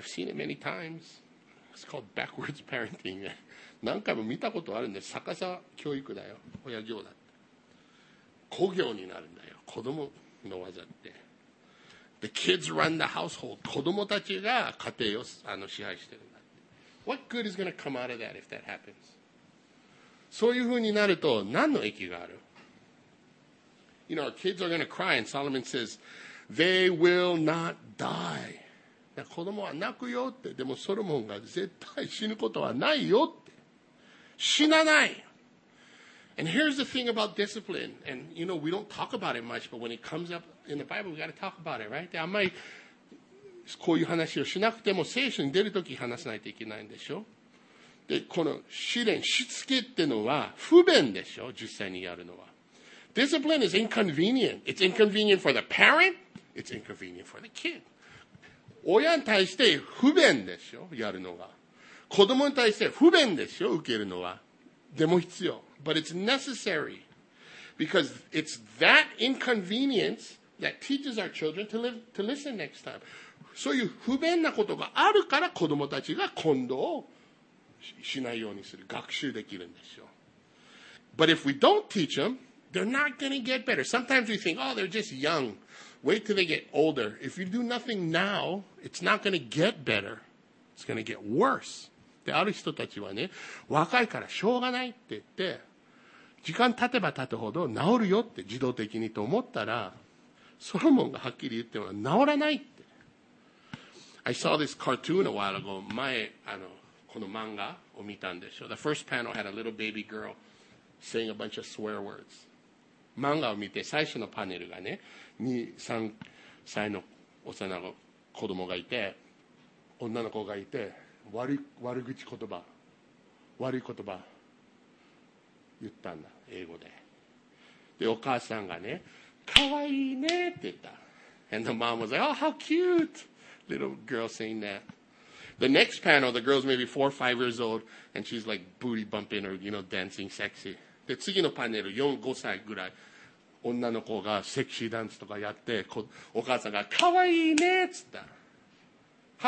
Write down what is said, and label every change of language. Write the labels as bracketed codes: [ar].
[en] I've seen it many times. It's called backwards parenting. [ja] 何回も見たことあるんで、逆さ教育だよ。親業だって子業になるんだよ。子供の技って、 [en] The kids run the household. [ja] 子供たちが家庭をあの支配してるんだって。 [en] What good is going to come out of that if that happens? [ja] そういう風になると何の益がある？ [en] You know, our kids are going to cry and Solomon says they will not die. [ja] 子供は泣くよって。でもソロモンが絶対死ぬことはないよって。死なない。 [en] And here's the thing about discipline, and you know, we don't talk about it much, but when it comes up in the Bible, we got to talk about it, right? [ja] あんまりこういう話をしなくても聖書に出るとき話さないといけないんでしょ。で、この試練、しつけってのは不便でしょ、実際にやるのは。 [en] Discipline is inconvenient. It's inconvenient for the parent. It's inconvenient for the kid. [ja] 親に対して不便でしょ、やるのは。子供に対して不便でしょ、受けるのは。でも必要。 [en] But it's necessary because it's that inconvenience that teaches our children to live, to listen next time. [ja] そういう不便なことがあるから子供たちが今度をしないようにする。学習できるんですよ。 [en] But if we don't teach them, they're not going to get better. Sometimes we think, oh, they're just young. Wait till they get older. If you do nothing now, it's not going to get better. It's going to get worse. [ja] である人たちはね、若いからしょうがないって言って、時間経てば経つほど治るよって自動的にと思ったら、ソロモンがはっきり言っても治らないって。 [en] I saw this cartoon a while ago. [ja] 前、あの、この漫画を見たんでしょ。 [en] The first panel had a little baby girl saying a bunch of swear words. [ja] 漫画を見て最初のパネルがね、2、3歳の幼い子供がいて、女の子がいて、悪口言葉言ったんだ英語で。でお母さんがね、かわいいねって言った。 [en] And the mom was like, oh, how cute. Little girl saying that. The next panel, the girl's maybe 4 or 5 years old, and she's like booty bumping or, you know, dancing sexy. [ja] で、次のパネル、4、5歳ぐらい。女の子がセクシーダンスとかやって、お母さんがかわいいねって言った。